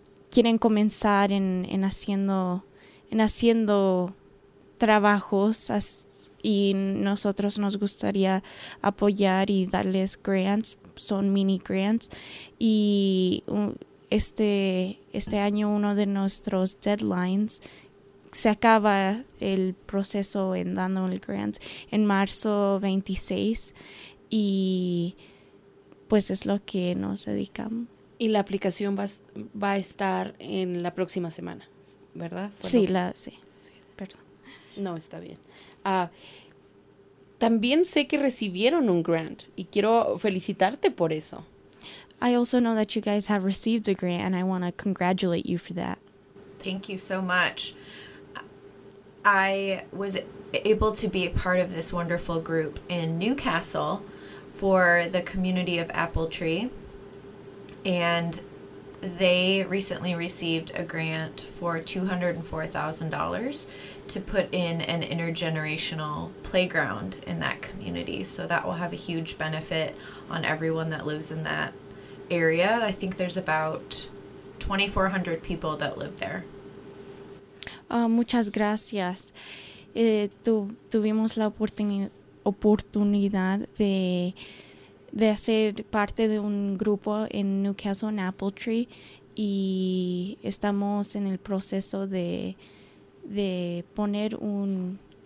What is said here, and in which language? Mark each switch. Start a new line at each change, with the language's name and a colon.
Spanish: quieren comenzar en haciendo trabajos, y nosotros nos gustaría apoyar y darles grants, son mini grants, y este año uno de nuestros deadlines se acaba el proceso en dando el grant en marzo 26, y pues es lo que nos dedicamos. Y la aplicación va a estar en la próxima semana, ¿verdad? Sí, perdón. No, está bien. También sé que recibieron un grant y quiero felicitarte por eso.
English: I also know that you guys have received a grant and I want to congratulate you for that. Thank you so much. I was able to be a part of this wonderful group in Newcastle for the community of Apple Tree, and they recently received a grant for $204,000 to put in an intergenerational playground in that community. So that will have a huge benefit on everyone that lives in that area. I think there's about 2,400 people that live there.
Spanish: Muchas gracias. tuvimos la oportunidad de hacer parte de un grupo en Newcastle en Appletree, y estamos en el proceso de poner un